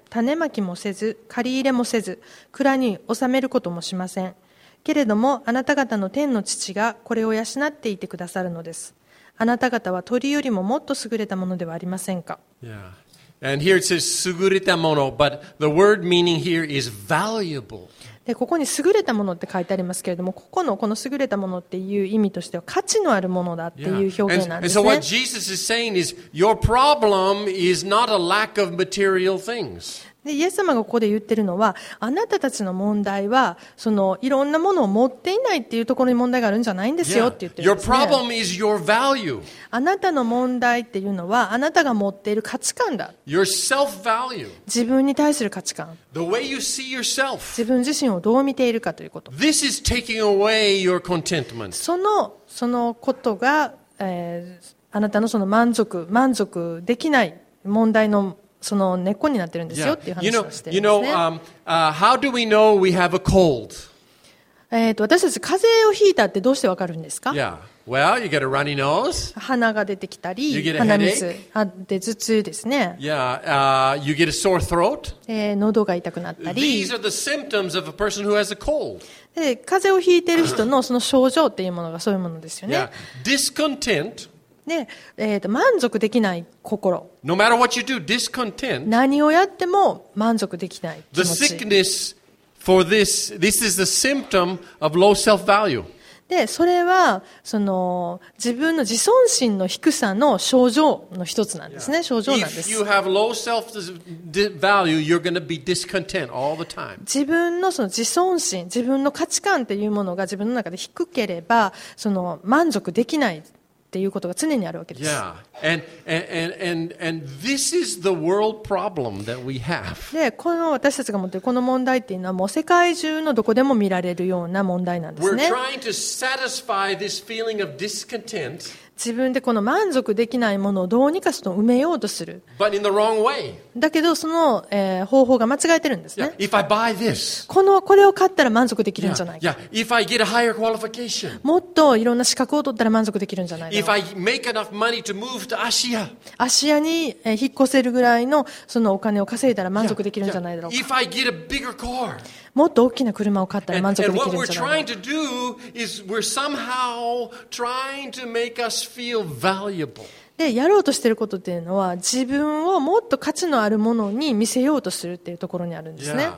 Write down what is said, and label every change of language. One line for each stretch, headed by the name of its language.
Japanese: 種まきもせず、刈り入れもせず、蔵に納めることもしません。けれども、あなた方の天の父がこれを養っていてくださるのです。あなた方は鳥よりももっと優れたものではありませんか。
English: Yeah. And here it says
Japanese: 優れたもの、
English: but the word meaning here is valuable.
Japanese: でここに優れたものって書いてありますけれども、ここのこの優れたものっていう意味としては価値のあるものだっていう表現なんですね。
English: And so what Jesus is saying is, your problem is not a lack of material things.
Japanese: でイエス様がここで言ってるのは、あなたたちの問題はそのいろんなものを持っていないっていうところに問題があるんじゃないんですよって言ってるんですね。
English: Your problem is your value.
Japanese: あなたの問題っていうのはあなたが持っている価値観だ。
English: Your self-value.
Japanese: 自分に対する価値観。
English: The way you see yourself.
Japanese: 自分自身をどう見ているかということ。
English: This is taking away your contentment.
Japanese: そのことが、あなたのその満足できない問題のその根っこになってるんですよ、yeah. っていう話をしてるんですね。
English: How do we know we have a cold?
Japanese: 私たち風邪をひいたってどうしてわかるんですか
English: ？Yeah, well, you get a runny nose.
Japanese: 鼻が出てきたり、
English: you get a headache.
Japanese: 鼻水、で頭痛ですね。
English: Yeah, you get a sore throat.
Japanese: 喉が痛くなったり。
English: These are the symptoms of a person who has a cold.
Japanese: で風邪をひいてる人のその症状っていうものがそういうものですよね。
English: Yeah, discontent.
Japanese: ね、満足できない心。
English: No matter what you do, discontent.
Japanese: 何をやっても満足できない気持ち。
English: The sickness for this, this is the symptom of low self-value.
Japanese: で、それはその自分の自尊心の低さの症状の一つなんですね。症状なんです。
English: If you have low self-value, you're going to be discontent all the time.
Japanese: 自分のその自尊心、自分の価値観っていうものが自分の中で低ければ、その満足できない。っていうことが常にあるわけです。
English: Yeah. And this is the world problem that we have.
Japanese: で、この私たちが持っているこの問題っていうのはもう世界中のどこでも見られるような問題なんですね。
English: We're trying to satisfy this feeling of discontent.
Japanese: 自分でこの満足できないものをどうにかして埋めようとする。
English: But in the wrong way.
Japanese: だけどその、方法が間違えてるんですね。
English: Yeah. If I buy this.
Japanese: これを買ったら満足できるんじゃないか。
English: Yeah. Yeah. If I get a higher qualification.
Japanese: もっといろんな資格を取ったら満足できるんじゃないか。
English: If I make enough money to move to Asia.
Japanese: アシアに引っ越せるぐらいのそのお金を稼いだら満足できるんじゃないだろうか。
English: Yeah. Yeah. If I get a bigger car.
Japanese: もっと大きな車を買ったら満足できるんじゃないか。
English: And what we're trying to do is we're somehow trying to make us feel valuable.
Japanese: でやろうとしていることっていうのは自分をもっと価値のあるものに見せようとするっていうところにあるんですね。